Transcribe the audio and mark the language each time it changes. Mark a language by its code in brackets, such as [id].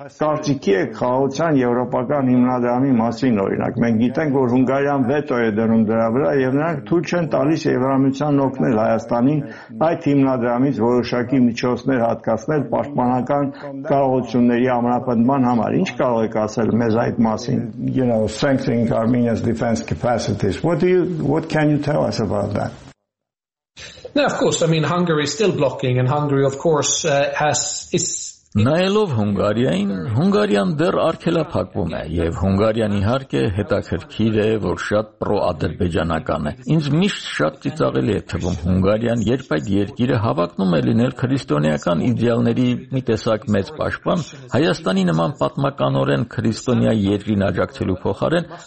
[hy] կարծիքի եք խաղաղության եվրոպական հիմնադրամի մասին, օրինակ, մենք գիտենք, որ Հունգարիան վետո է դնում դրա վրա եւ նրանք ցույց են տալիս Եվրամիության օգնել Հայաստանին այդ հիմնադրամից որոշակի միջոցներ հատկացնել պաշտպանական կարողությունների ամրապնդման համար։ Ինչ կարող եք ասել մեզ այդ մասին? [en] You know, strengthening Armenia's defense capacities. What can you tell us about that? Now, of course, I mean, Hungary is still blocking, and Hungary, of course, is [hy] Նայելով Հունգարիային, Հունգարիան դեռ արգելափակվում է, եւ Հունգարիան իհարկե հետաքրքիր է, որ շատ պրոադրբեջանական է։ Ինձ միշտ շատ ծիծաղելի է թվում Հունգարիան, երբ այդ երկիրը հավակնում է լինել քրիստոնեական իդեալների մի տեսակ մեծ պաշտպան, Հայաստանի նման պատմականորեն քրիստոնեա երկրին աջակցելու փոխարեն